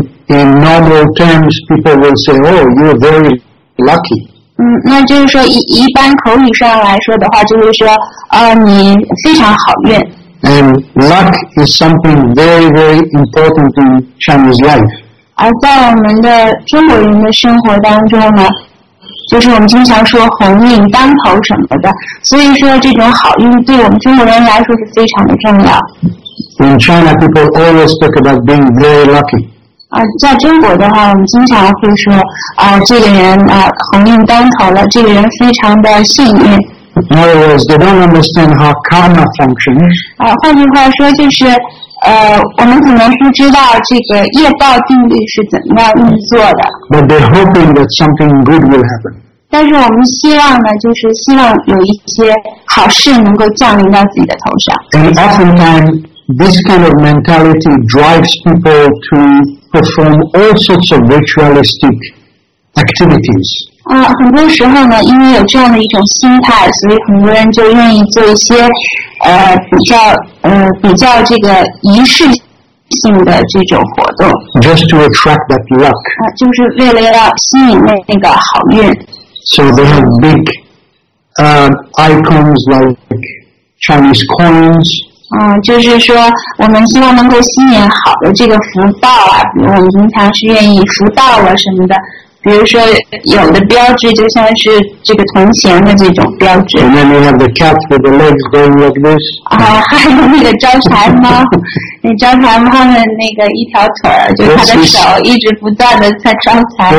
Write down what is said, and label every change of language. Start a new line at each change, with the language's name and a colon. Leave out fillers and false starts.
English: In normal terms, people will say, oh, you're very lucky.
Chinese: 那就是说一般口语上来说的话，就是说你非常好运。
English: And luck is something very, very important in Chinese life.
Chinese: 而在我们的中国人的生活当中呢，就是我们经常说鸿运当头什么的，所以说这种好运对我们中国人来说是非常的重要。
English: In China, people always talk about being very lucky.
Chinese: 在中国的话，我们经常会说这个人鸿运当头了，这个人非常的幸运。
English: In other words, they don't understand how karma functions.
Chinese: 换句话说就是。我们可能不知道这个业报定律是怎么样运作的。
English: But they're hoping that something good will happen.
Chinese: 但是我们希望呢，就是希望有一些好事能够降临到自己的头上。
English: And oftentimes, this kind of mentality drives people to perform all sorts of ritualistic activities.
Chinese: 很多时候呢，因为有这样的一种心态，所以很多人就愿意做一些比较这个仪式性的这种活动
English: ，just to attract that luck，
Chinese: 就是为了要吸引那个好运。
English: So they have big icons like Chinese coins。
Chinese: 就是说我们希望能够吸引好的这个福报啊，比如我们经常是愿意福报了什么的。比如说有的标志就像是这个铜钱的这种标志。
English: And then you have the cat with the legs going like this.
Chinese: 还有那个招财猫，那招财猫的那个一条腿儿，就他的手一直不断的在招财。